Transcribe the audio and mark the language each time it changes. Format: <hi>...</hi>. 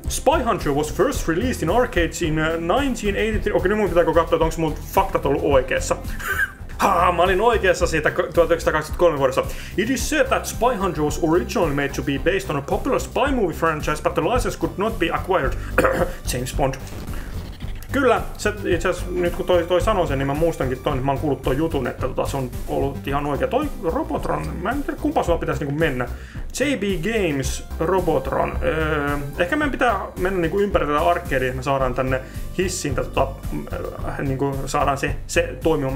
<en>Spy Hunter was first released in arcades in 1983.</en> <fi>Okei, nyt mun pitääkö katsoa, että onko mun faktat ollut oikeassa. mä olin oikeassa siitä 1923 vuodessa.</fi> <en>It is said that Spy Hunter was originally made to be based on a popular spy movie franchise, but the license could not be acquired. James Bond.</en> <fi>Kyllä, se itse asiassa nyt kun toi sanoi sen, niin mä muistankin toi, että mä oon kuullut ton jutun, että tota, se on ollut ihan oikea. Toi Robotron, mä en tiedä kumpa sulla pitäisi niinku mennä. JB Games Robotron. Ehkä meidän pitää mennä niinku ympäri tätä arkeeria, että me saadaan tänne hissiin, että tota, niinku saadaan se toimimaan.</fi>